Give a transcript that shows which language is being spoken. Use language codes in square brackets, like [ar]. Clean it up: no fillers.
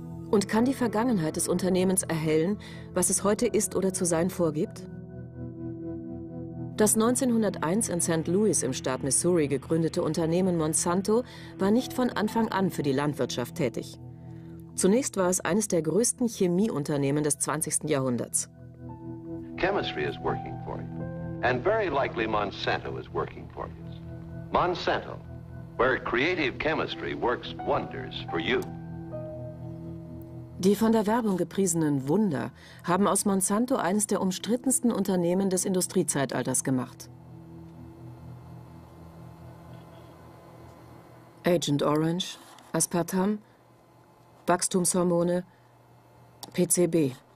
[de] Und kann die Vergangenheit des Unternehmens erhellen, was es heute ist oder zu sein vorgibt? Das 1901 in St. Louis im Staat Missouri gegründete Unternehmen Monsanto war nicht von Anfang an für die Landwirtschaft tätig. Zunächst war es eines der größten Chemieunternehmen des 20. Jahrhunderts. [en] Chemistry is working for you. And very likely Monsanto is working for you. Monsanto, where creative chemistry works wonders for you. [de] Die von der Werbung gepriesenen Wunder haben aus Monsanto eines der umstrittensten Unternehmen des Industriezeitalters gemacht. Agent Orange, Aspartam, Wachstumshormone, PCB.